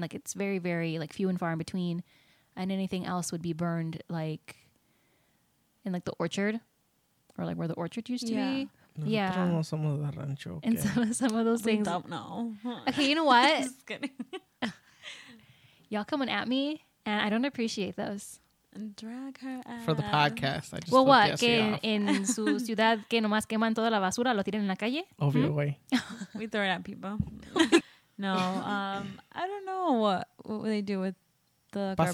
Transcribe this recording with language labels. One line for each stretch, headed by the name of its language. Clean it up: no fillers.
English: Like it's very, very like few and far in between, and anything else would be burned like in like the orchard or like where the orchard used to be. Yeah. I don't know, some of the rancho. Okay. And some of those things. I don't know. Okay, you know what? Just kidding. Y'all coming at me, and I don't appreciate those. And drag her out. For the podcast. I just well, what?
Spanish: Que en su ciudad que nomás queman toda la basura, lo tiran en la calle?
English: Over your way. We throw it at people. No. I don't know what they do with the garbage.